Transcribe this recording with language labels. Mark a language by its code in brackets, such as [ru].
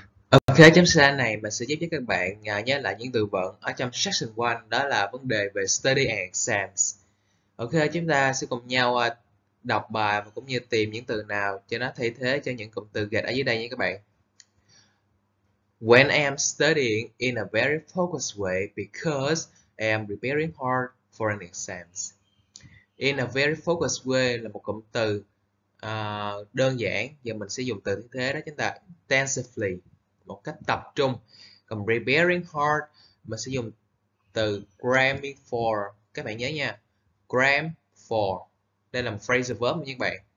[vi] Ok, trong slide này mình sẽ giúp cho các bạn nhớ lại những từ vựng ở trong section 1, đó là vấn đề về [en] study and exams. [vi] Ok, chúng ta sẽ cùng nhau đọc bài và cũng như tìm những từ nào cho nó thay thế cho những cụm từ gạch ở dưới đây nha các bạn. [en] When I am studying in a very focused way because I am preparing hard for an exam. In a very focused way [vi] là một cụm từ đơn giản, giờ mình sẽ dùng từ thay thế đó chính là intensively, một cách tập trung. Còn [en] preparing hard [vi] mình sẽ dùng từ cramming for. Các bạn nhớ nha, cram for. Đây là một phrasal verb nha các bạn.